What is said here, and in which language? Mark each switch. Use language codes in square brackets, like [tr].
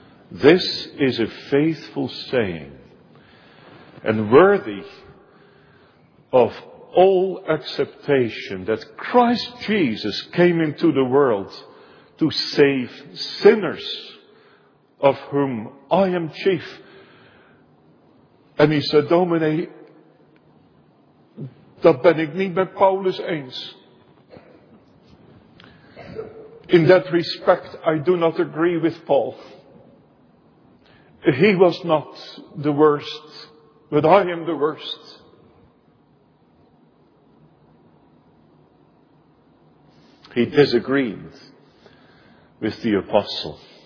[en] This is a faithful saying and worthy of all acceptation, that Christ Jesus came into the world to save sinners, of whom I am chief. And he said, [nl] Domine, dat ben ik niet met Paulus eens. [en] In that respect, I do not agree with Paul. He was not the worst, but I am the worst. He disagreed with the apostle.